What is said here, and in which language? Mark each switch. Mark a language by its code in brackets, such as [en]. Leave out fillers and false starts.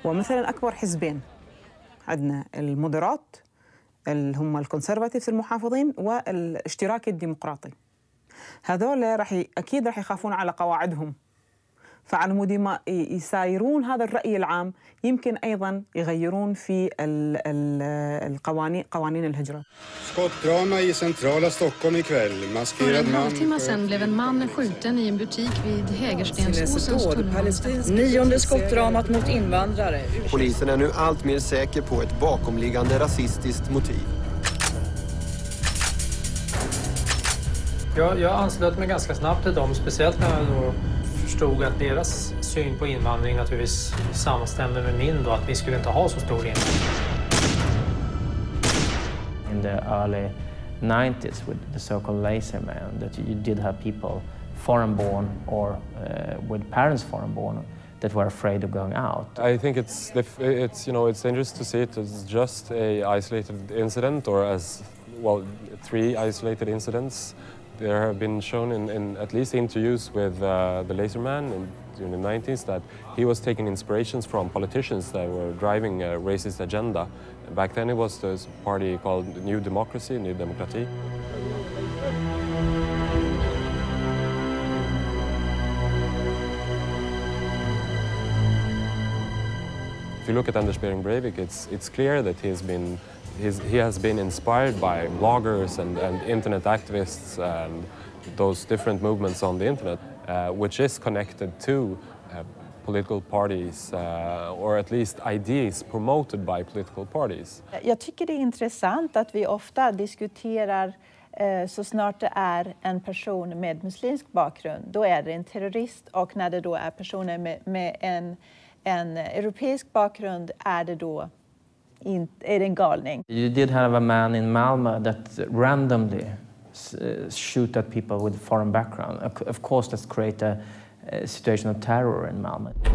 [ar] ومثلا أكبر حزبين عندنا المدرات اللي هم الكونسرفاتيفز المحافظين والاشتراك الديمقراطي هذول أكيد رح يخافون على قواعدهم فعلى مود ما يسايرون هذا الرأي العام يمكن أيضا يغيرون في القوانين قوانين الهجرة [sv] Skottdrama i centrala Stockholm ikväll maskerad man En halvtimme sen blev en man skjuten i en butik vid Hägerstensåsens tunnelbana Nionde skottdramat mot invandrare Polisen är nu allt mer säker på ett bakomliggande rasistiskt motiv Jag anslöt mig ganska snabbt till dem speciellt när jag då förstod att deras syn på invandring naturligtvis sammanstämde med min då att vi skulle inte ha så stor invandring. [en] In the early 90s with the so-called lazy man that you did have people foreign born or with parents foreign born that were afraid of going out. I think it's dangerous to see it as just a isolated incident or as well three isolated incidents. There have been shown in at least interviews with the Laser Man in the 90s that he was taking inspirations from politicians that were driving a racist agenda. Back then it was this party called New Democracy, New Demokrati. If you look at Anders Behring Breivik, it's clear that he has been inspired by bloggers and internet activists and those different movements on the internet, which is connected to political parties or at least ideas promoted by political parties. [sv] Jag tycker det är intressant att vi ofta diskuterar så snart det är en person med muslimsk bakgrund, då är det en terrorist och när det då är personer med en europeisk bakgrund är det då [en] You did have a man in Malmö that randomly shoot at people with foreign background. Of course, that's create a situation of terror in Malmö.